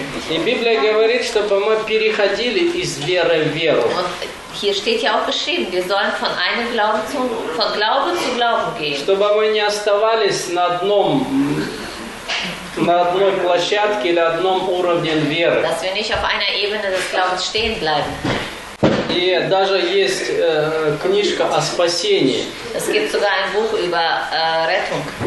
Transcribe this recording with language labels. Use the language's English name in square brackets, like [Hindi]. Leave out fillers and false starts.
[Russian] И Библия говорит, чтобы мы переходили из веры в веру. [German] Hier steht ja auch geschrieben, wir sollen von einem Glauben zu, von Glaube zu Glauben gehen. [Russian] Чтобы мы не оставались на одном, на одной площадке или одном уровне веры. [German] Dass wir nicht auf einer Ebene des Glaubens stehen bleiben. [Russian] И даже есть книжка о спасении. [German] Es gibt sogar ein Buch über Rettung.